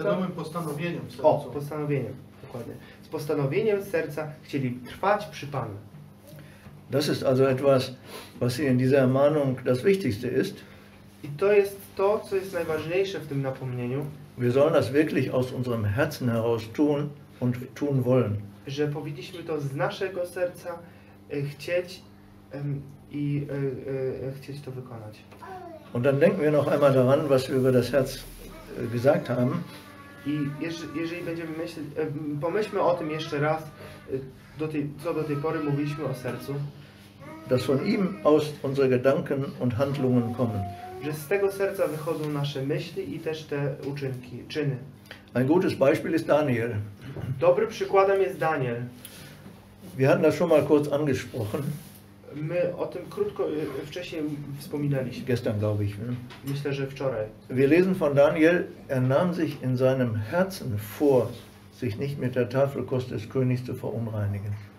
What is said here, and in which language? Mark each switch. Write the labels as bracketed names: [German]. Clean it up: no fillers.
[Polish] świadomym postanowieniem serca. O, postanowieniem, dokładnie. Z postanowieniem serca chcieli trwać przy Panu. [German] Das ist also etwas, was hier in dieser Ermahnung das Wichtigste ist. [Polish] I to jest to, co jest najważniejsze w tym napomnieniu. [German] Wir sollen das wirklich aus unserem Herzen heraus tun und tun wollen. [Polish] Że powinniśmy to z naszego serca chcieć i chcieć to wykonać. [German] Und dann denken wir noch einmal daran, was wir über das Herz gesagt haben. [Polish] I jeżeli będziemy myśleć, pomyślmy o tym jeszcze raz, co do tej pory mówiliśmy o sercu. [German] Dass von ihm aus unsere Gedanken und Handlungen kommen. [Polish] Że z tego serca wychodzą nasze myśli i też te uczynki, czyny. [German] Ein gutes Beispiel ist Daniel. [Polish] Dobrym przykładem jest Daniel. [German] Wir hatten das schon mal kurz angesprochen. [Polish] My o tym krótko wcześniej wspominaliśmy. [German] Gestern, glaube ich. [Polish] Myślę, że wczoraj. [German] Wir lesen von Daniel, er nahm sich in seinem Herzen vor, sich nicht mit der Tafelkost des Königs zu verunreinigen.